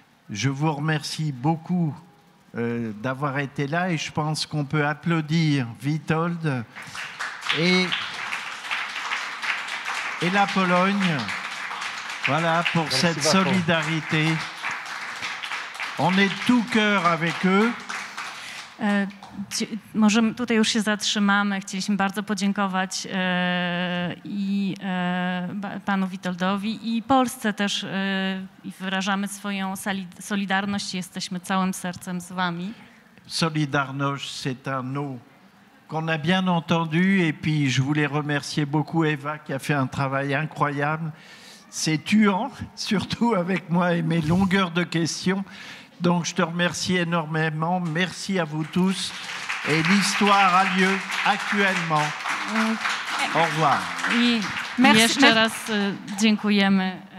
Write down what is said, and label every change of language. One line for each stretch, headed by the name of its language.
French: Je vous remercie beaucoup d'avoir été là et je pense qu'on peut applaudir Witold et la Pologne, voilà, pour merci cette beaucoup. Solidarité. On est tout cœur avec eux.
Polish: Możemy tutaj już się zatrzymamy. Chcieliśmy bardzo podziękować i panu Witoldowi i Polsce też i wyrażamy swoją solidarność. Jesteśmy całym sercem z wami.
French: Solidarność, c'est un nom qu'on a bien entendu et puis je voulais remercier beaucoup Eva qui a fait un travail incroyable. C'est tuant, surtout avec moi et mes longueurs de questions. Donc je te remercie énormément. Merci à vous tous. Et l'histoire a lieu actuellement. Au revoir.
Polish: I
French: merci.
Polish: Jeszcze raz dziękujemy.